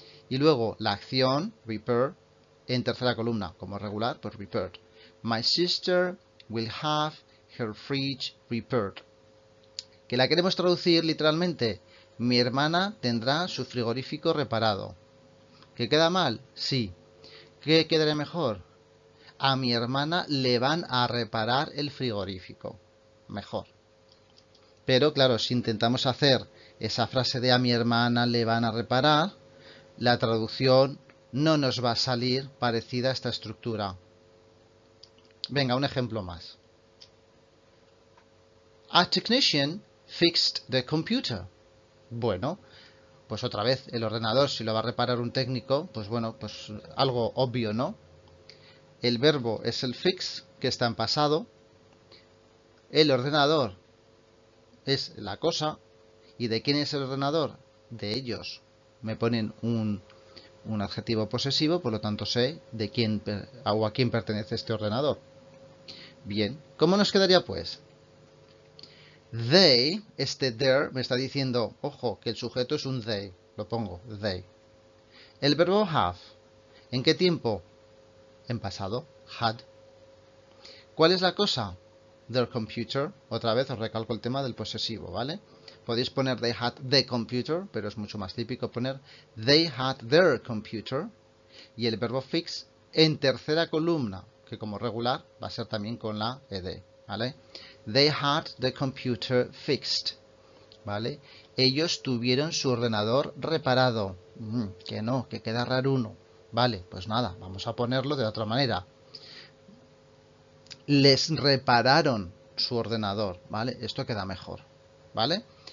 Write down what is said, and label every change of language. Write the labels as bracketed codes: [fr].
[es] Y luego la acción, repair, en tercera columna, como regular, pues repair. [en] My sister will have her fridge repaired. [es] Que la queremos traducir literalmente. Mi hermana tendrá su frigorífico reparado. ¿Que queda mal? Sí. ¿Qué quedaría mejor? A mi hermana le van a reparar el frigorífico. Mejor. Pero claro, si intentamos hacer esa frase de a mi hermana le van a reparar, la traducción no nos va a salir parecida a esta estructura. Venga, un ejemplo más. [en] A technician fixed the computer. [es] Bueno, pues otra vez el ordenador, si lo va a reparar un técnico, pues bueno, pues algo obvio, ¿no? El verbo es el fix, que está en pasado. El ordenador es la cosa. ¿Y de quién es el ordenador? De ellos. Me ponen un adjetivo posesivo, por lo tanto sé de quién o a quién pertenece este ordenador. Bien, ¿cómo nos quedaría pues? They, este there, me está diciendo, ojo, que el sujeto es un they. Lo pongo, they. El verbo have, ¿en qué tiempo? En pasado, had. ¿Cuál es la cosa? Their computer. Otra vez os recalco el tema del posesivo, ¿vale? Podéis poner [en] they had the computer, [es] pero es mucho más típico poner [en] they had their computer. [es] Y el verbo fix en tercera columna, que como regular va a ser también con la ed, ¿vale? [en] They had the computer fixed. [es] ¿Vale? Ellos tuvieron su ordenador reparado. Que no, que queda raro uno. Vale, pues nada, vamos a ponerlo de otra manera. Les repararon su ordenador. ¿Vale? Esto queda mejor. ¿Vale?